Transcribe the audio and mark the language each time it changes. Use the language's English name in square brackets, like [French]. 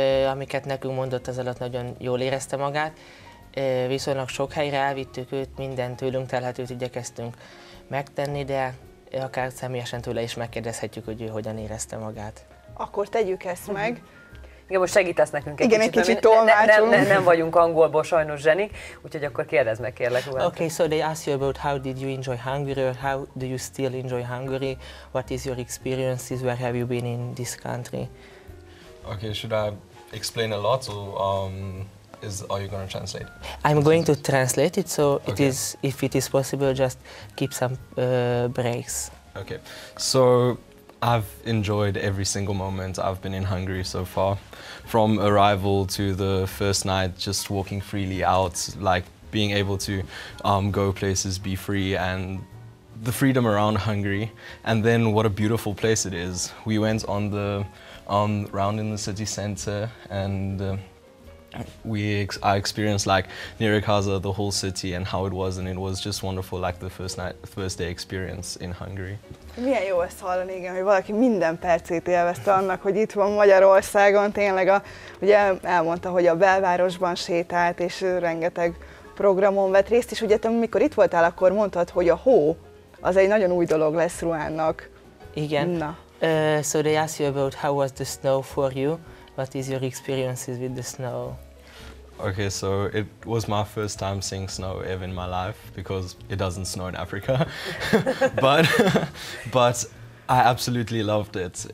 [Hungarian] Amiket nekünk mondott, az alatt nagyon jól érezte magát. Viszonylag sok helyre elvittük őt, minden tőlünk telhetőt igyekeztünk megtenni, de akár személyesen tőle is megkérdezhetjük, hogy ő hogyan érezte magát. Akkor tegyük ezt meg. Igen, most segítesz nekünk egy kicsit tolmácsunk. Nem vagyunk angolból sajnos zsenik, úgyhogy akkor kérdezd meg, kérlek. [English] Okay, so they ask you about how did you enjoy Hungary, or how do you still enjoy Hungary, what is your experiences, where have you been in this country? Okay, should I explain a lot? Are you going to translate? I'm going to translate it, so if it is possible, just keep some breaks. Okay, so I've enjoyed every single moment I've been in Hungary so far, from arrival to the first night, just walking freely out, like being able to go places, be free, and the freedom around Hungary, and then what a beautiful place it is. We went on the round in the city center, and I experienced like Nyíregyháza, the whole city, and how it was, and it was just wonderful, like the first day experience in Hungary. [Hungarian] Milyen jó ezt hallani, igen, hogy valaki minden percét élvezte annak, hogy itt van Magyarországon, tényleg ugye elmondta, hogy a belvárosban sétált, és rengeteg programon vett részt, és ugye te, amikor itt voltál, akkor mondtad, hogy a hó az egy nagyon új dolog lesz Ruánnak. Igen. Na. [English] So they asked you about how was the snow for you? What is your experiences with the snow? Okay, so it was my first time seeing snow ever in my life because it doesn't snow in Africa. but I absolutely loved it.